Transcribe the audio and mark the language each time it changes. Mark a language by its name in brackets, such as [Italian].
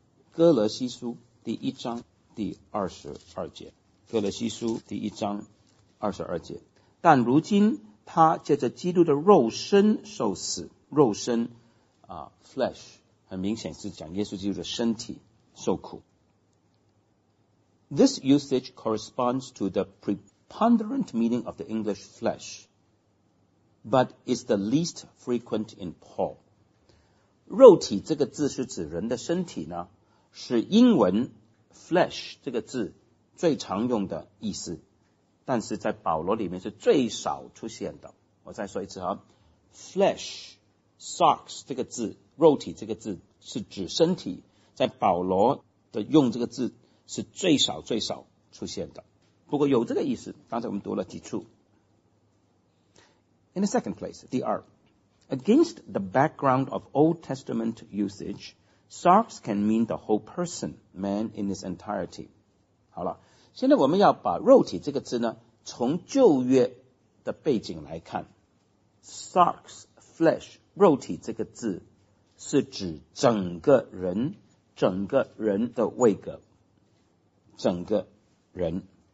[Chinese] 哥罗西书第一章第二十二节，哥罗西书第一章二十二节，但如今他借着基督的肉身受死，肉身啊 ，flesh， 很明显是讲耶稣基督的身体受苦。 [English] This usage corresponds to the preponderant meaning of the English flesh, but is the least frequent in Paul. [Chinese] 肉体这个字是指人的身体呢，是英文 flesh 这个字最常用的意思，但是在保罗里面是最少出现的。我再说一次啊 ，flesh。Sarks 这个字，肉体这个字是指身体，在保罗的用这个字是最少最少出现的，不过有这个意思，刚才我们读了几处。 [English] In the second place, [Chinese] 第二， [English] Against the background of Old Testament usage, Sarks can mean the whole person, man in his entirety. [Chinese] 好了，现在我们要把肉体这个字呢，从旧约的背景来看， Sarks, flesh,肉体这个字是指整个人，整个人的位格，整个人。